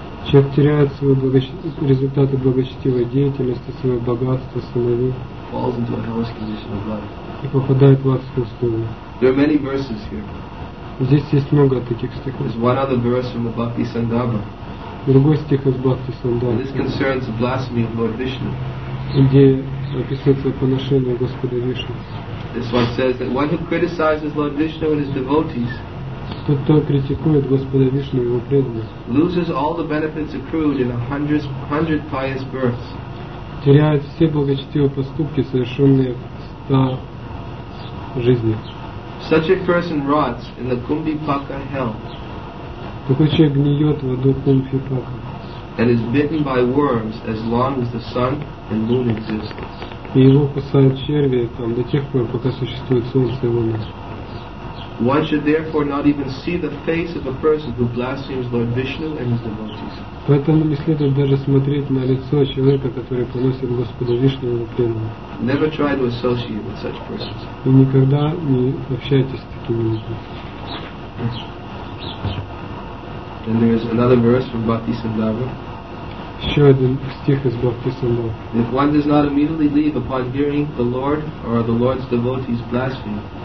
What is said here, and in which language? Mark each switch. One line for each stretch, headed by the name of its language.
Russian: Человек теряет свои результаты благочестивой деятельности, свое богатство, сыновей.
English: Falls into a hellish condition of life.
Russian: И попадает в адскую сторону.
English: There are many verses here.
Russian: Здесь есть много таких стихов.
English: There's one other verse from the Bhakti Sandarbha.
Russian: Другой стих из Бхакти Сандарбхи.
English: This concerns the blasphemy of Lord Vishnu.
Russian: Где описывается поношение Господа Вишну.
English: This one says that one who criticizes Lord Vishnu and his devotees
Russian: Тот, кто критикует Господа Вишну и его преданных,
English: loses all the benefits accrued in 100 pious births.
Russian: Теряет все благочестивые поступки, совершенные в 100 жизнях.
English: Such a person rots in the Kumbhipaka hell.
Russian: Такой человек гниет в аду Кумбхипака.
English: And is bitten by worms as long as the sun and moon exist.
Russian: И его кусают черви там до тех пор, пока существует солнце и луна.
English: One should therefore not even see the face of a person who blasphemes Lord Vishnu and his devotees.
Russian: Поэтому не следует даже смотреть на лицо человека, который поносит Господа Вишну и его преданных.
English: Never try to associate with such persons.
Russian: И никогда не общайтесь с такими людьми.
English: Then there is another verse from Bhakti Sandhava.
Russian: Еще один стих из Бхакти Сандхавы.
English: If one does not immediately leave upon hearing the Lord or the Lord's devotees blaspheme.